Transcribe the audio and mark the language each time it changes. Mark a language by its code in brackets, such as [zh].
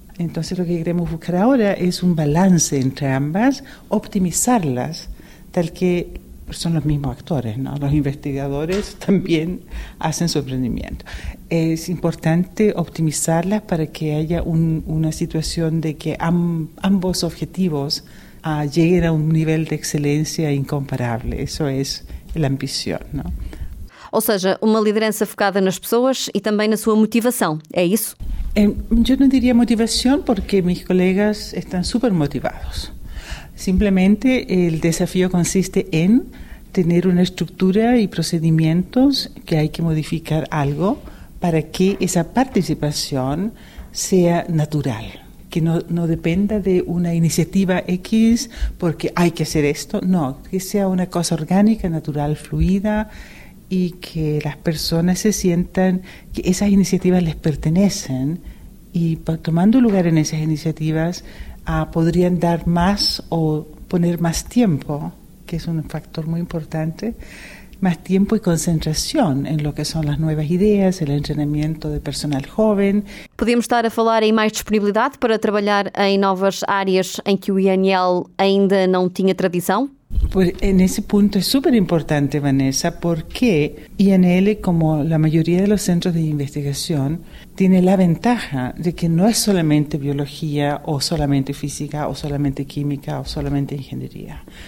[es] Entonces, lo que queremos buscar ahora es un balance entre ambas, optimizarlas, tal que son los mismos actores, ¿no? Los investigadores también hacen su emprendimiento. Es importante optimizarlas para que haya una situación de que ambos objetivos lleguen a un nivel de excelencia incomparable. Eso es la ambición, ¿no? [pt] Ou seja, uma liderança focada nas pessoas e também na sua motivação, é isso? Eu não diria motivação porque meus colegas estão super motivados. Simplesmente o desafio consiste em ter uma estrutura e procedimentos que há que modificar algo para que essa participação seja natural, [es] que no dependa de una iniciativa X porque hay que hacer esto. No, que sea una cosa orgánica, natural, fluida, y que las personas se sientan que esas iniciativas les pertenecen, y tomando lugar en esas iniciativas podrían dar más o poner más tiempo, que es un factor muy importante, más tiempo y concentración en lo que son las nuevas ideas, el entrenamiento de personal joven. [pt] Podíamos estar a falar em mais disponibilidade para trabalhar em novas áreas em que o INL ainda não tinha tradição? [es] Pues en ese punto es súper importante, Vanessa, porque INL, como la mayoría de los centros de investigación, tiene la ventaja de que no es solamente biología o solamente física o solamente química o solamente ingeniería.